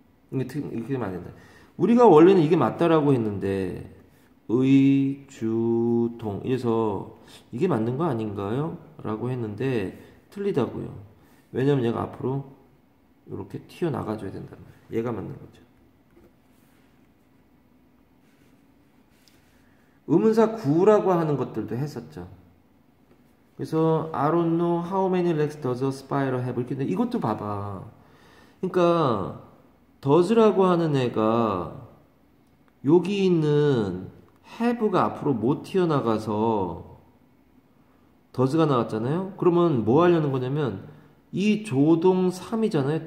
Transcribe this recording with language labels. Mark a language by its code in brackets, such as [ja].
[ko] 이렇게 되면 안 된다. 우리가 원래는 이게 맞다라고 했는데 의주동 이래서 이게 맞는 거 아닌가요? 라고 했는데 틀리다고요. 왜냐면 얘가 앞으로 이렇게 튀어나가줘야 된단 말이에요. 얘가 맞는 거죠. 의문사 구라고 하는 것들도 했었죠. 그래서 [en] I don't know how many legs does a spider have? [ko] 이렇게 했는데 이것도 봐봐. 그러니까 does라고 하는 애가 여기 있는 have가 앞으로 못 튀어나가서 does가 나왔잖아요? 그러면 뭐 하려는 거냐면 이 조동사이잖아요?